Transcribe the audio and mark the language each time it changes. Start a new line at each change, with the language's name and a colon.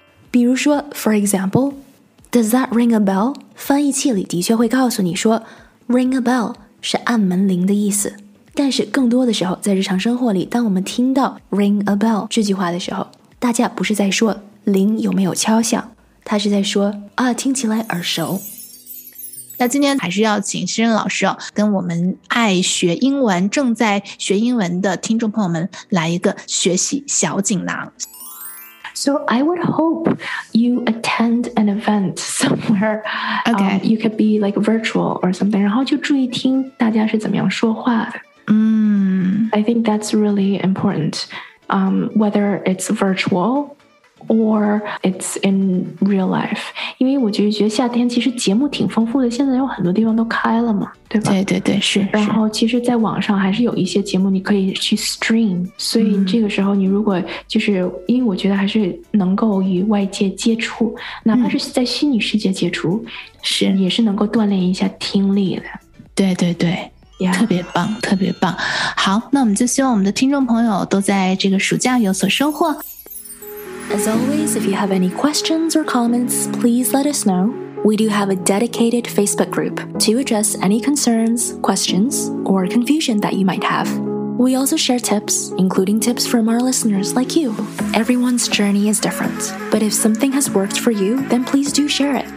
Chinese: 比如说
English: for example does that ring a bell
Chinese: 翻译器里的确会告诉你说 ring a bell 是按门铃的意思，但是更多的时候在日常生活里，当我们听到 ring a bell 这句话的时候，大家不是在说铃有没有敲响，他是在说啊，听起来耳熟。那今天还是要请熙韌老师、跟我们爱学英文正在学英文的听众朋友们来一个学习小锦囊。
English: So I would hope you attend an event somewhere、 okay. You could be like virtual or something
Chinese: 然后就注意听大家是怎么样说话的、
English: I think that's really important、whether it's virtualOr it's in real life.
Chinese: 因为我就觉得夏天其实节目挺丰富的，现在有很多地方都开了嘛，对吧？对对对，是。然后其实在网上还是有一些节目你可以去 stream， 所以这个时候你如果就是、因为我觉得还是能够与外界接触，哪怕是在虚拟世界接触，是、也是能够锻炼一下听力的。对对对。
English: Yeah.
Chinese: 特别棒，特别棒。好，那我们就希望我们的听众朋友都在这个暑假有所收获。
English: As always, if you have any questions or comments, please let us know. We do have a dedicated Facebook group to address any concerns, questions, or confusion that you might have. We also share tips, including tips from our listeners like you. Everyone's journey is different, but if something has worked for you, then please do share it.